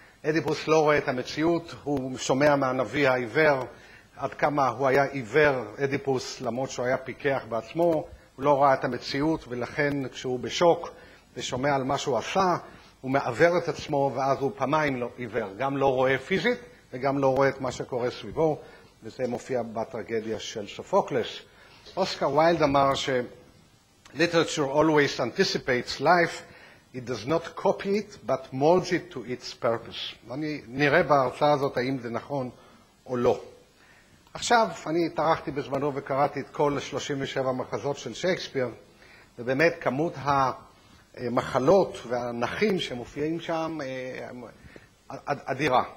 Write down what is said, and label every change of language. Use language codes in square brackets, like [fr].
[he] אדיפוס לא רואה את המציאות, הוא שומע מהנביא העיוור, עד כמה הוא היה עיוור, אדיפוס, למרות שהוא היה פיקח בעצמו, הוא לא ראה את המציאות, ולכן כשהוא בשוק ושומע על מה שהוא עשה, הוא מעבר את עצמו, ואז הוא פעמיים לא עיוור, גם לא רואה פיזית וגם לא רואה את מה שקורה סביבו. וזה מופיע בטרגדיה של סופוקלס. אוסקר ויילד אמר ש [en] literature always anticipates life, it does not copy it, but molds it to its purpose. [he] אני נראה בהרצאה הזאת האם זה נכון או לא. עכשיו, אני התארחתי בזמנו וקראתי את כל 37 מחזות של שייקספיר, ובאמת כמות המחלות והנחים שמופיעים שם אדירה.